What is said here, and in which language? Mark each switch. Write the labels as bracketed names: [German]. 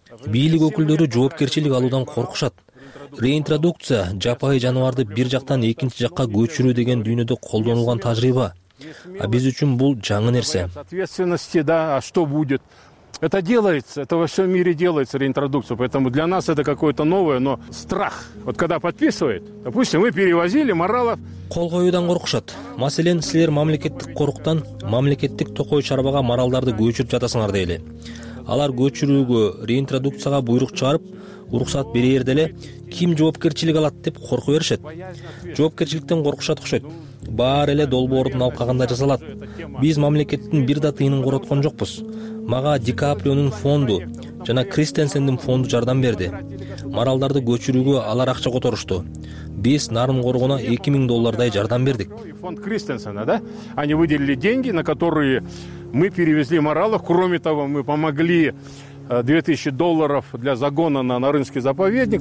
[Kyrgyz] Бийлик өкүлдөрү жоопкерчилик алуудан коркушат. Реинтродукция жапайы жаныбарды бир жактан экинчи жакка көчүрүү деген дүйнөдө колдонулган тажрыйба. А биз үчүн бул жаңы нерсе. [Russian] Ответственности, да, а что будет? Это делается, это во всём мире делается реинтродукция, поэтому для нас это какое-то новое, но страх. Вот когда подписывает, допустим, мы перевозили маралов. [Kyrgyz] Кол коюудан коркушат. Маселен, силер мамлекеттик коруктан мамлекеттик токой чарбага маралдарды көчүрүп жатасыңар дейли. Алар көчүрүүгө, реинтродукцияга буйрук чыгарып, уруксат берер деле ким жоопкерчилик алат деп коркуп беришет. Жоопкерчиликтен коркушат окшойт. Баары эле долбоордун алкагында жасалат. Биз мамлекеттин бир да тыйынын короткон жокпуз. Мага Дикаприонун фонду жана Кристенсендин фонду жардам берди. Маралдарды көчүрүүгө алар акча которушту. Биз нарын коргоуна 2000 доллардай жардам бердик. [Russian] Фонд Кристенсена, да? Они выделили деньги, на которые мы перевезли маралов. Кроме того, мы помогли 2000 долларов для загона на Нарынский заповедник.